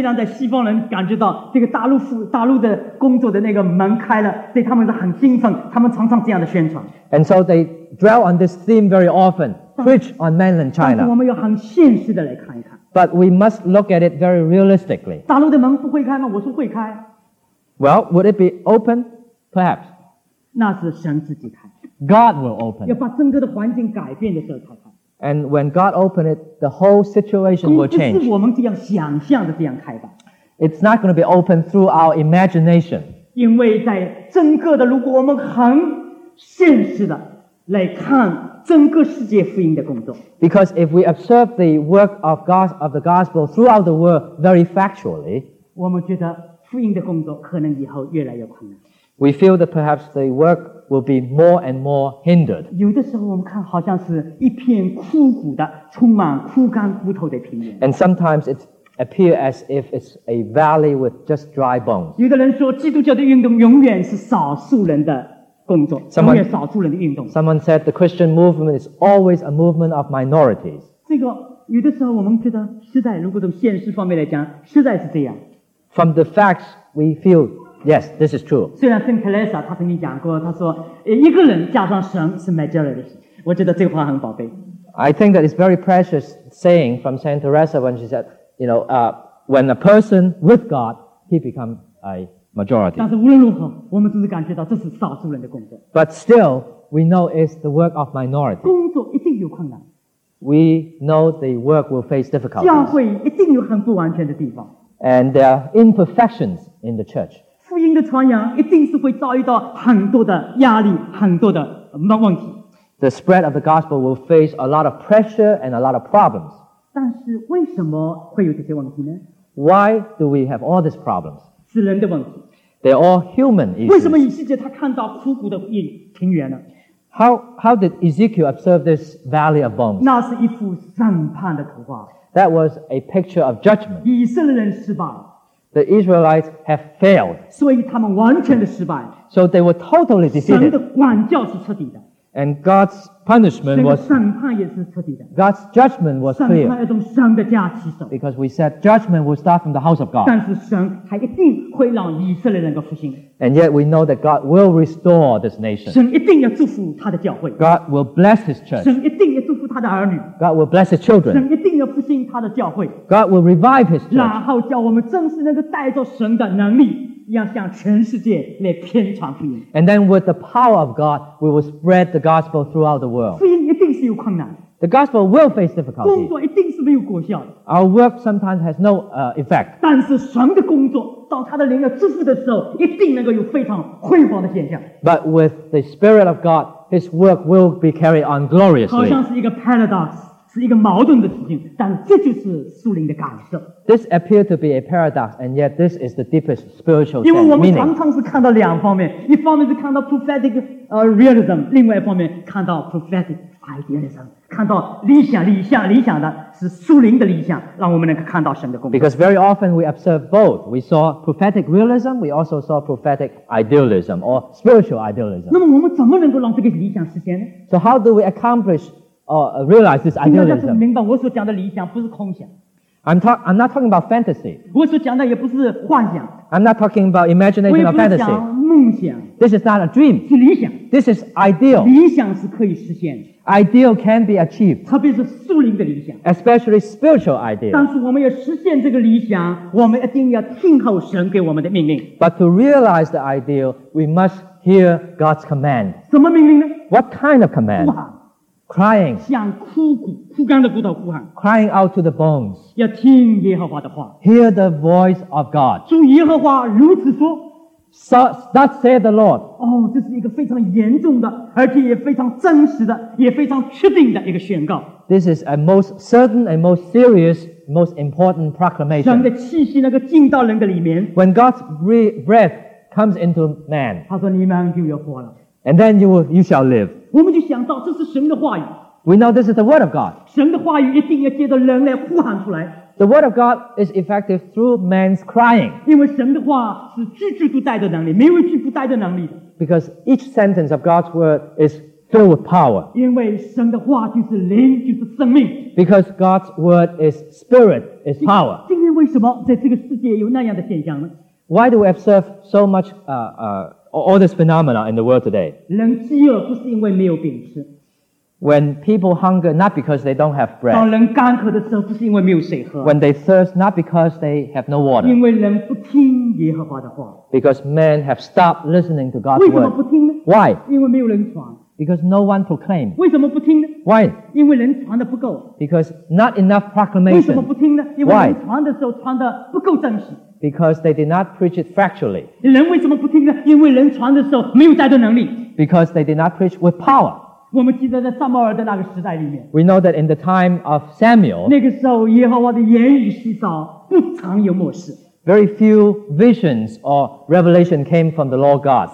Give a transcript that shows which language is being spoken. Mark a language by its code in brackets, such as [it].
[zh] 虽然在西方人感觉到这个大陆的工作的那个门开了，对他们是很兴奋，他们常常这样的宣传。 [en] And so they dwell on this theme very often, preach on mainland China. [zh] 但是我们要很现实的来看一看。 [en] But we must look at it very realistically. [zh] 大陆的门不会开吗？我说会开。 [en] Well, would it be open? Perhaps. [zh] 那是神自己开。 [en] God will open. [zh] 要把整个的环境改变的时候才开。 [en] And when God opened it, the whole situation will change. [zh] 不是我们这样想象的这样开吧。 [en] It's not going to be open through our imagination. [zh] 因为在整个的，如果我们很现实的来看整个世界福音的工作。 [en] Because if we observe the work of God of the gospel throughout the world very factually, [zh] 我们觉得福音的工作可能以后越来越困难。 [en] We feel that perhaps the work will be more and more hindered. [zh] 有的时候我们看好像是一片枯骨的，充满枯干骨头的平原。 [en] And sometimes it appears as if it's a valley with just dry bones. [zh] 有的人说，基督教的运动永远是少数人的工作，永远少数人的运动。 [en] Someone said the Christian movement is always a movement of minorities. [zh] 这个有的时候我们觉得，实在如果从现实方面来讲，实在是这样。 [en] From the facts, we feel. Yes, this is true. [zh] 虽然圣特蕾莎她曾经讲过，她说一个人加上神是 majority， 我觉得这个话很宝贝。 [en] I think that it's very precious saying from Saint Teresa when she said, you know, when a person with God, he becomes a majority. [zh] 但是无论如何，我们总是感觉到这是少数人的工作。 [en] But still, we know it's the work of minority. [zh] 工作一定有困难。 [en] We know the work will face difficulties. [zh] 教会一定有很不完全的地方。 [en] And there are imperfections in the church. [zh] 福音的传扬一定是会遭遇到很多的压力，很多的问题。 [en] The spread of the gospel will face a lot of pressure and a lot of problems. [zh] 但是为什么会有这些问题呢？ [en] Why do we have all these problems? [zh] 是人的问题。 [en] They're all human issues. [zh] 为什么以西结他看到枯骨的平原呢？ [en] How did Ezekiel observe this valley of bones? [zh] 那是一幅审判的图画。 [en] That was a picture of judgment. [zh] 以色列人失败。 [en] The Israelites have failed. [zh] 所以他们完全的失败。 [en] So they were totally defeated. [zh] 神的管教是彻底的。 [en] And God's punishment was. [zh] 神的审判也是彻底的。 [en] God's judgment was clear. [zh] 审判要从神的家起手。 [en] Because we said judgment will start from the house of God. [zh] 但是神还一定会让以色列人的复兴。 [en] And yet we know that God will restore this nation. [zh] 神一定要祝福他的教会。 [en] God will bless his church. [zh] 神一定要祝福他的儿女。 [en] God will bless his children. [zh] 神一定要复兴他的教会。 [en] God will revive his church. [zh] 然后叫我们正是那个带着神的能力。要向全世界来宣传福音。 [en] And then with the power of God, we will spread the gospel throughout the world. [zh] 福音一定是有困难。 [en] The gospel will face difficulty. [zh] 工作一定是没有果效的。 [en] Our work sometimes has no effect. [zh] 但是神的工作到他的灵要支付的时候，一定能够有非常辉煌的现象。 [en] But with the Spirit of God, His work will be carried on gloriously. [zh] 好像是一个 paradox。是一个矛盾的事情，但这就是属灵的感受。 [en] This appears to be a paradox, and yet this is the deepest spiritual meaning. [zh] 因为我们常常是看到两方面，一方面是看到 [en] prophetic realism， [zh] 另外一方面看到 [en] prophetic idealism， [zh] 看到理想，理想，理想的是属灵的理想，让我们能够看到神的工作。 [en] Because very often we observe both. We saw prophetic realism, we also saw prophetic idealism or spiritual idealism. [zh] 那么我们怎么能够让这个理想实现呢？ [en] So how do we accomplish? Realize this idealism. [zh] 明白我所讲的理想不是空想。 [en] I'm not talking about fantasy. [zh] 我所讲的也不是幻想。 [en] I'm not talking about imagination or fantasy. [zh] 我也不是讲梦想。 [en] This is not a dream. [zh] 是理想。 [en] This is ideal. [zh] 理想是可以实现的。 [en] Ideal can be achieved. [zh] 特别是属灵的理想。 [en] Especially spiritual ideal. [zh] 但是我们要实现这个理想，我们一定要听候神给我们的命令。 [en] But to realize the ideal, we must hear God's command. [zh] 什么命令呢？ [en] What kind of command? Crying, [zh] 向枯骨、枯干的骨头呼喊。 [en] Crying out to the bones, [zh] 要听耶和华的话。 [en] Hear the voice of God. [zh] 主耶和华如此说。 [en] Thus saith the Lord. [zh] 哦，这是一个非常严重的，而且也非常真实的，也非常确定的一个宣告。 [en] This is a most certain and most serious, most important proclamation. [zh] 神的气息能够进到人的里面。 [en] When God's breath comes into man, [zh] 他说你们就要活了。 [en] And then you shall live. [zh] 我们就想到这是神的话语。 [en] We know this is the word of God. [zh] 神的话语一定要借着人来呼喊出来。 [en] The word of God is effective through man's crying. [zh] 因为神的话是句句都带着能力，没有一句不带着能力的。 [en] Because each sentence of God's word is filled with power. [zh] 因为神的话就是灵，就是生命。 [en] Because God's word is spirit, is power. [zh] 今天为什么在这个世界有那样的现象呢？ [en] Why do we observe so much all this phenomena in the world today. [zh] 人饥饿不是因为没有饼吃。 [en] When people hunger, not because they don't have bread. [zh] 当人干渴的时候，不是因为没有水喝。 [en] When they thirst, not because they have no water. [zh] 因为人不听耶和华的话。 [en] Because men have stopped listening to God's word. [zh] 为什么不听呢？ [en] Why? [zh] 因为没有人传。 [en] Because no one proclaimed. [zh] 为什么不听呢？ [en] Why? [zh] 因为人传的不够。 [en] Because not enough proclamation. [zh] 为什么不听呢？因为人传的时候传的不够真实。 [en] Because they did not preach it factually. [zh] 人为什么不听呢？因为人传的时候没有带着能力。 [en] Because they did not preach with power. [zh] 我们记得在撒母耳的那个时代里面。 [en] We know that in the time of Samuel. [zh] 那个时候耶和华的言语稀少，不常有默示。 [en] Very few visions or revelation came from the Lord God.